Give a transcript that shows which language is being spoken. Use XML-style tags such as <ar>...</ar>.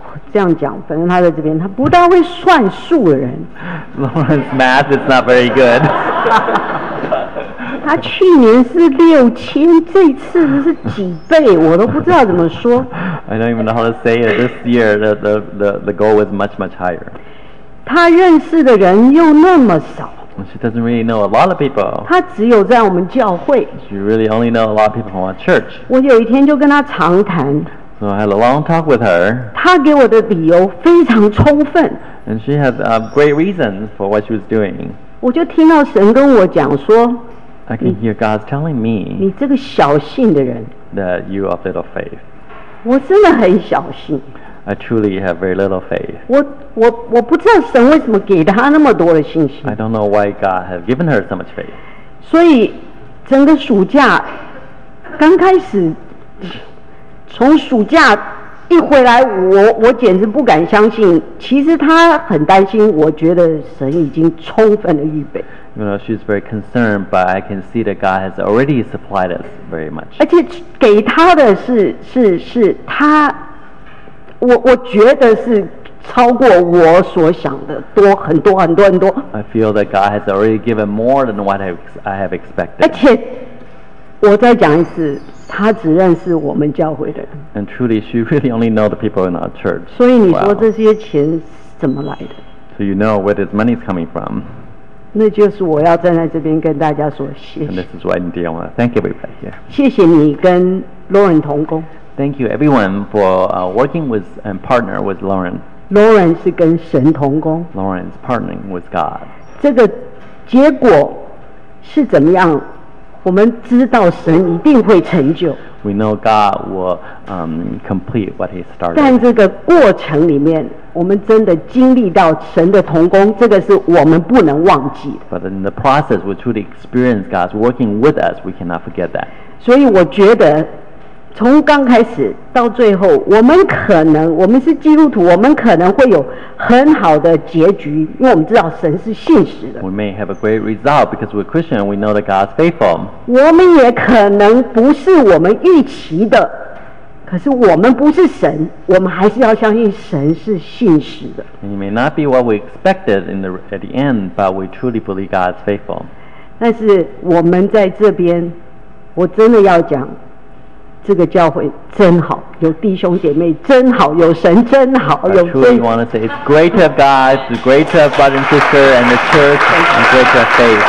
<zh>这样讲，反正他在这边，他不大会算数的人。</zh> <en>Lauren's math is not very good.</en> <zh>他去年是6000，这次是几倍，我都不知道怎么说。</zh> <en>I don't even know how to say it. This year, the goal was much, much higher.</en> <zh>他认识的人又那么少。</zh> <en>She doesn't really know a lot of people.</en> <zh>他只有在我们教会。</zh> <en>She really only know a lot of people from our church.</en> <zh>我有一天就跟他长谈。</zh> <en>So I had a long talk with her.</en> <zh>她给我的理由非常充分。</zh> <en>And she had a great reason for what she was doing.</en> <zh>我就听到神跟我讲说，</zh> <en>I can hear God telling me.</en> <zh>你这个小信的人。</zh> <en>That you are little faith.</en> <zh>我真的很小信。</zh> <en>I truly have very little faith.</en> <zh>我不知道神为什么给她那么多的信心。</zh> <en>I don't know why God has given her so much faith.</en> <zh>所以整个暑假刚开始。从暑假一回来，我简直不敢相信。其实他很担心，我觉得神已经充分的预备。</zh> <en>You know, she's very concerned, but I can see that God has already supplied us very much.</en> <zh>而且给他的是他，我觉得是超过我所想的多很多很多很多。</zh> <en>I feel that God has already given more than what I have expected.</en> <zh>而且我再讲一次。他只认识我们教会的人。</zh> <en>And truly, she really only knows the people in our church.</en> <zh>所以你说这些钱怎么来的</zh> <en>？So you know where this money is coming from.</en> <zh>那就是我要站在这边跟大家说谢谢。</zh> <en>And this is why, indeed, I want to thank everybody here.</en> <zh>谢谢你跟 Lauren 同工。</zh> <en>Thank you, everyone, for working with and partner with Lauren.</en> <zh>Lauren 是跟神同工。</zh> <en>Lauren's partnering with God.</en> <zh>这个结果是怎么样，我们知道神一定会成就。</zh> <en>We know God will complete what He started.</en> <zh>但这个过程里面，我们真的经历到神的同工，这个是我们不能忘记的。</zh> <en>But in the process, we truly experience God's working with us. We cannot forget that.</en> <zh>所以我觉得，从刚开始到最后，我们可能，我们是基督徒，我们可能会有很好的结局，因为我们知道神是信实的。</zh> <en>We may have a great result because we're Christian. We know that God's faithful.</en> <zh>我们也可能不是我们预期的，可是我们不是神，我们还是要相信神是信实的。</zh> <en>It may not be what we expected in the at the end, but we truly believe God's faithful.</en> <zh>但是我们在这边，我真的要讲。这个教会真好，有弟兄姐妹真好，有神真好，有真。</zh> <en>I truly want to say it's great to have God, it's great to have brother and sister and the church, and great to have faith.</en>